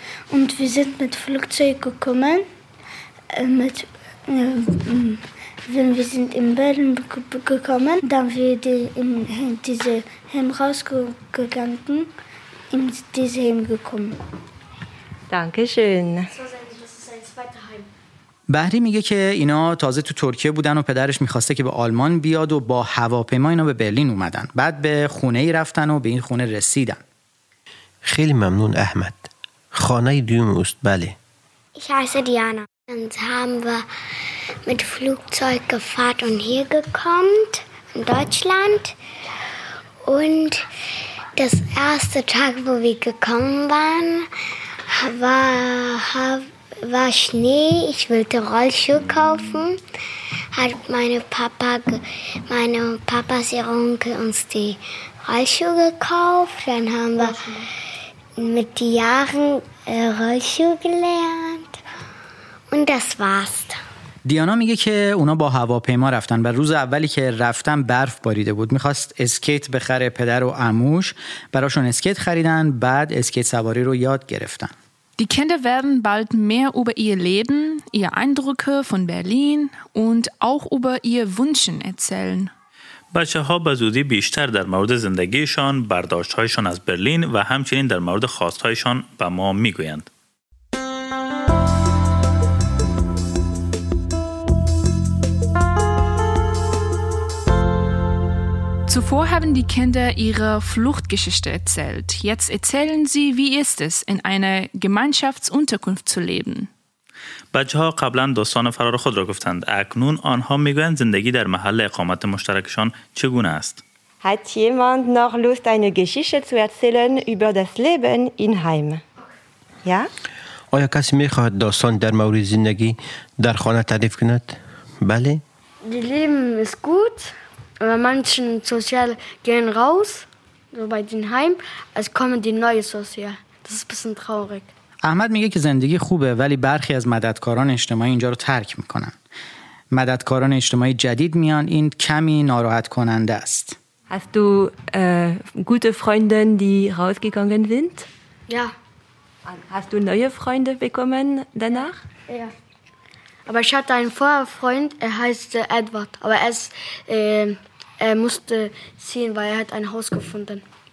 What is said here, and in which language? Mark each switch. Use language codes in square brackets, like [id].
[de] Und wir sind mit Flugzeug gekommen. Wenn wir sind in Berlin gekommen, dann wir in diese Heim rausgegangen, in diese Heim gekommen. Dankeschön. [fa] بهری میگه که اینا تازه تو ترکیه بودن و پدرش میخواسته که به آلمان بیاد و با هواپیما اینا به برلین اومدن. بعد به خونه ای رفتن و به این خونه رسیدن. خیلی ممنون احمد. خانه دیوم است بله. [de] Ich heiße Diana. Dann haben wir mit Flugzeug gefahrt und hier gekommen in Deutschland. Und das erste Tag, wo wir gekommen waren, war Schnee, ich wollte Rollschuh kaufen, hat meine Papa, ihr Onkel uns die Rollschuh gekauft, dann haben wir mit den Jahren Rollschuh gelernt und das war's. [fa] دیانا میگه که اونا با هواپیما رفتن و روز اولی که رفتن برف باریده بود. میخواست اسکیت بخره پدر و عموش. براشون اسکیت خریدن بعد اسکیت سواری رو یاد گرفتن. [de] Die Kinder werden bald mehr über ihr Leben, ihr Eindrücke von Berlin und auch über ihr Wünschen erzählen. [fa] بچه ها به زودی بیشتر در مورد زندگیشان، برداشت هایشان از برلین و همچنین در مورد خواست هایشان به ما میگویند. [de] Zuvor haben die Kinder ihre Fluchtgeschichte erzählt. Jetzt erzählen sie, wie ist es, in einer Gemeinschaftsunterkunft zu leben. [fa] بچه‌ها قبلاً داستان فرار خود را گفتند. اکنون آنها می‌گویند زندگی در محل اقامت مشترکشان چگونه است. [de] Hat jemand noch Lust, eine Geschichte zu erzählen über das Leben in Heim? Ja? [fa] آیا کسی می‌خواهد داستان در مورد زندگی در خانه تعریف کند؟ بله. [de] Die Leben ist gut. Aber manche Sozial gehen raus, so bei den Heim, als kommen die neue Sozial. Das ist ein bisschen traurig. [fa] احمد میگه که زندگی خوبه ولی برخی از مددکاران اجتماعی اینجا رو ترک میکنن. مددکاران اجتماعی جدید میان این کمی ناراحت کننده است. [de] Hast du gute Freunde, die rausgegangen sind? Ja. Hast du neue Freunde bekommen danach? Ja. Aber ich hatte einen Vorfreund, er heißt Edward. Aber er musste ziehen, weil er hat ein Haus gefunden.